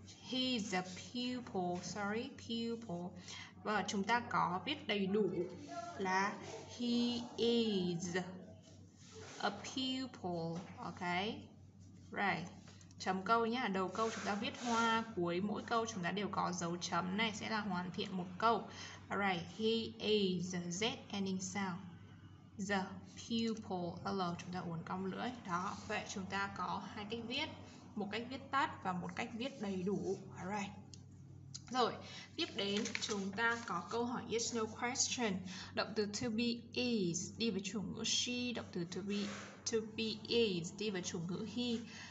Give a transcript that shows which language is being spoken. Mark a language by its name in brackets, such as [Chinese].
[English] He's a pupil, sorry, pupil. [Vietnamese] Và chúng ta có viết đầy đủ là [English] he is a pupil. [Vietnamese] Ok. Right. Chấm câu nhá. Đầu câu chúng ta viết hoa, cuối mỗi câu chúng ta đều có dấu chấm này, sẽ là hoàn thiện một câu. [English] Alright, he is Z ending sound the pupil. [Vietnamese] L chúng ta uốn cong lưỡi. Đó, vậy chúng ta có hai cách viết, một cách viết tắt và một cách viết đầy đủ. Alright. Rồi, tiếp đến chúng ta có câu hỏi yes no question. Động từ to be is đi vào chủ ngữ she, động từ to be is đi vào chủ ngữ he.